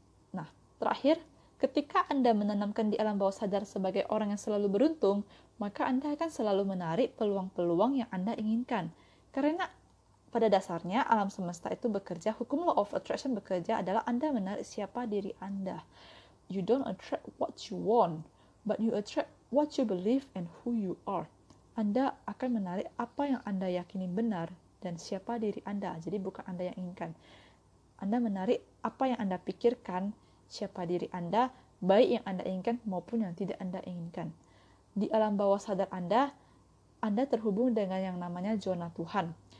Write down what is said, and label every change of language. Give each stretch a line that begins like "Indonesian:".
Indonesian: Nah, terakhir, ketika Anda menanamkan di alam bawah sadar sebagai orang yang selalu beruntung, maka Anda akan selalu menarik peluang-peluang yang Anda inginkan. Karena pada dasarnya alam semesta itu bekerja, hukum law of attraction bekerja adalah Anda menarik siapa diri Anda.
English: You don't attract what you want, but you attract what you believe and who you are.
Indonesian: Anda akan menarik apa yang Anda yakini benar dan siapa diri Anda. Jadi bukan Anda yang inginkan. Anda menarik apa yang Anda pikirkan, siapa diri Anda, baik yang Anda inginkan maupun yang tidak Anda inginkan. Di alam bawah sadar Anda, Anda terhubung dengan yang namanya zona Tuhan.